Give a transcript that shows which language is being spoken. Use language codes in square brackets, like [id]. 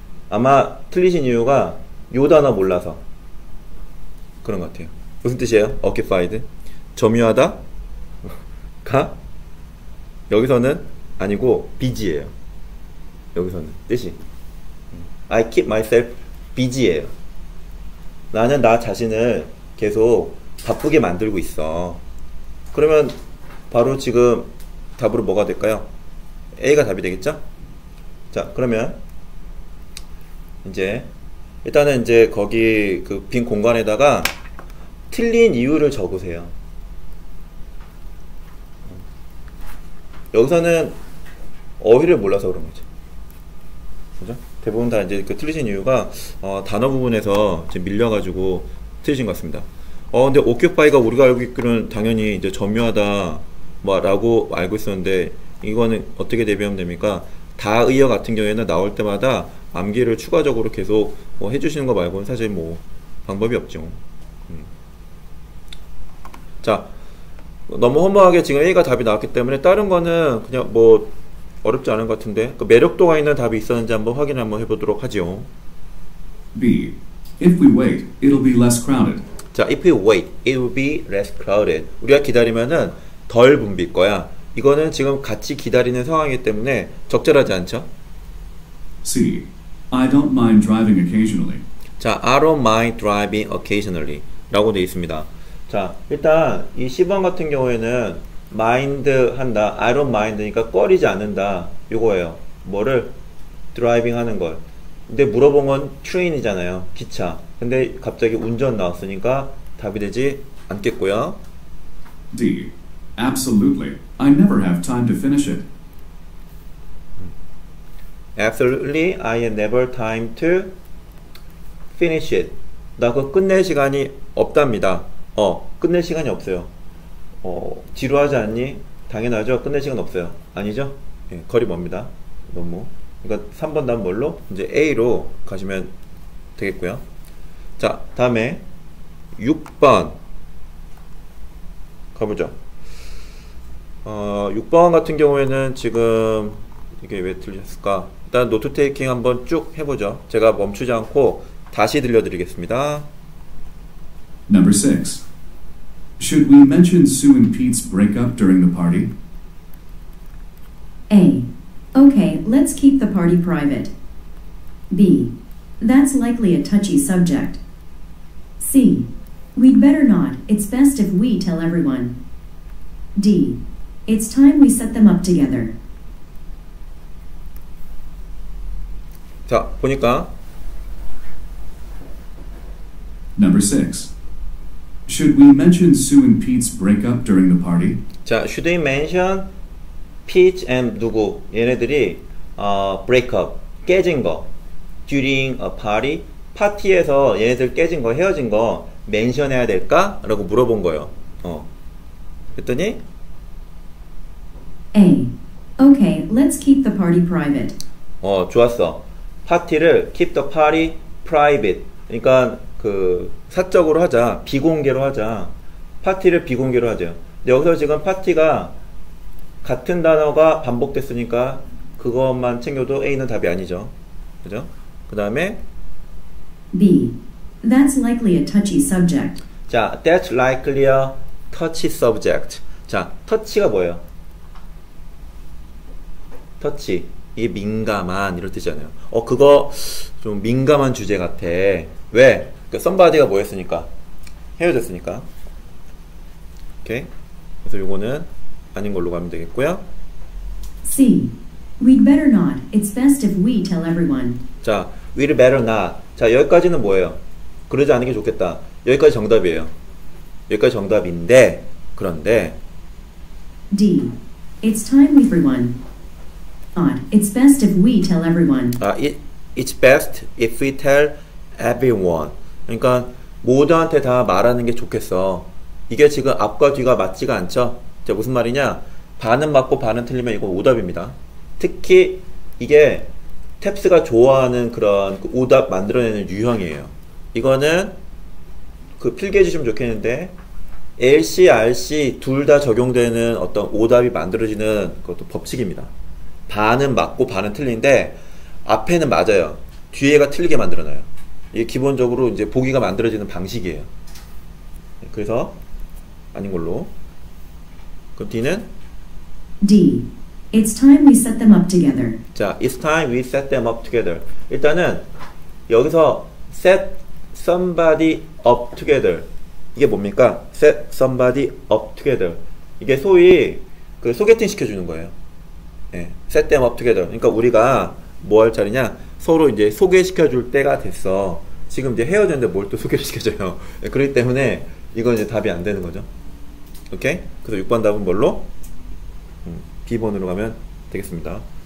[ko] 아마 틀리신 이유가 요 단어 몰라서 그런 것 같아요. 무슨 뜻이에요? Occupied. 점유하다? 가? 여기서는 아니고 busy예요. 여기서는 뜻이. [en] I keep myself busy예요. [ko] 나는 나 자신을 계속 바쁘게 만들고 있어. 그러면 바로 지금 답으로 뭐가 될까요? A가 답이 되겠죠? 자, 그러면 이제 일단은 이제 거기 그 빈 공간에다가 틀린 이유를 적으세요. 여기서는 어휘를 몰라서 그런 거죠. 그죠? 대부분 다 이제 그 틀리신 이유가 단어 부분에서 지금 밀려가지고 틀리신 것 같습니다. 근데 occupy가 우리가 알고 있기로는 당연히 이제 점유하다 뭐라고 알고 있었는데 이거는 어떻게 대비하면 됩니까? 다의어 같은 경우에는 나올 때마다 암기를 추가적으로 계속 뭐 해주시는 거 말고는 사실 뭐 방법이 없죠. 자, 너무 허무하게 지금 A가 답이 나왔기 때문에 다른 거는 그냥 뭐 어렵지 않은 것 같은데 그 매력도가 있는 답이 있었는지 한번 확인 한번 해보도록 하죠. [en] B. If we wait, it'll be less crowded. 자, if we wait, it will be less crowded. [ko] 우리가 기다리면은 덜 붐빌 거야. 이거는 지금 같이 기다리는 상황이기 때문에 적절하지 않죠? [en] C. I don't mind driving occasionally. 자, I don't mind driving occasionally [ko] 라고 되어 있습니다. 자, 일단 이 10번 같은 경우에는 mind 한다, [en] I don't mind [ko] 니까 꺼리지 않는다 이거예요. 뭐를? driving 하는 걸. 근데 물어본 건 train이잖아요. 기차. 근데 갑자기 운전 나왔으니까 답이 되지 않겠고요. [en] D. Absolutely. I never have time to finish it. Absolutely, I have never time to finish it. [ko] 나 그거 끝낼 시간이 없답니다. 끝낼 시간이 없어요. 지루하지 않니? 당연하죠. 끝낼 시간 없어요. 아니죠? 예, 거리 멉니다. 너무. 그러니까 3번 답은 뭘로? 이제 A로 가시면 되겠고요. 자, 다음에 6번 가보죠. 6번 같은 경우에는 지금 이게 왜 틀렸을까? 일단 노트 테이킹 한번 쭉 해보죠. 제가 멈추지 않고 다시 들려드리겠습니다. [en] Number 6. Should we mention Sue and Pete's breakup during the party? A. Okay, let's keep the party private. B. That's likely a touchy subject. C. We'd better not. It's best if we tell everyone. D. It's time we set them up together. [ko] 자, 보니까 [en] Number 6. Should we mention Sue and Pete's breakup during the party? 자, should we mention Pete and [ko] 누구? 얘네들이 breakup, 깨진 거 [en] during a party, [ko] 파티에서 얘네들 깨진 거, 헤어진 거 mention 해야 될까? 라고 물어본 거예요. 그랬더니 [en] A. Okay, let's keep the party private. [ko] 좋았어. 파티를 [en] keep the party private. [ko] 그러니까 그 사적으로 하자. 비공개로 하자. 파티를 비공개로 하죠. 근데 여기서 지금 파티가 같은 단어가 반복됐으니까 그것만 챙겨도 A는 답이 아니죠. 그죠? 그 다음에 [en] B. That's likely a touchy subject. 자, that's likely a touchy subject. [ko] 자, touchy가 뭐예요? [en] touchy. [ko] 이게 민감한, 이런 뜻이잖아요. 어, 그거 좀 민감한 주제 같아. 왜? 그러니까 somebody가 뭐 했으니까? 헤어졌으니까. 오케이. 그래서 요거는 아닌 걸로 가면 되겠고요. [en] C. We'd better not. It's best if we tell everyone. [ko] 자, [en] we'd better not. [ko] 자, 여기까지는 뭐예요? 그러지 않는 게 좋겠다. 여기까지 정답이에요. 여기까지 정답인데, 그런데. [en] D. It's time everyone. It's best if we tell everyone. 아, it's best if we tell everyone. [ko] 그러니까 모두한테 다 말하는 게 좋겠어. 이게 지금 앞과 뒤가 맞지가 않죠? 자, 무슨 말이냐? 반은 맞고 반은 틀리면 이거 오답입니다. 특히 이게 탭스가 좋아하는 그런 그 오답 만들어내는 유형이에요. 이거는 그 필기해 주시면 좋겠는데 LC, RC 둘 다 적용되는 어떤 오답이 만들어지는 그것도 법칙입니다. 반은 맞고 반은 틀린데 앞에는 맞아요. 뒤에가 틀리게 만들어놔요. 이게 기본적으로 이제 보기가 만들어지는 방식이에요. 그래서 아닌 걸로. 그 D는? [en] D. It's time we set them up together. 자, it's time we set them up together. [ko] 일단은 여기서 [en] set somebody up together. [ko] 이게 뭡니까? [en] set somebody up together. [ko] 이게 소위 그 소개팅 시켜주는 거예요. [en] 예, set them up together. [ko] 그러니까 우리가 뭐 할 차례냐? 서로 이제 소개시켜줄 때가 됐어. 지금 이제 헤어졌는데 뭘 또 소개시켜줘요. 예, 그렇기 때문에 이건 이제 답이 안 되는 거죠. 오케이? 그래서 6번 답은 뭘로? B번으로 가면 되겠습니다.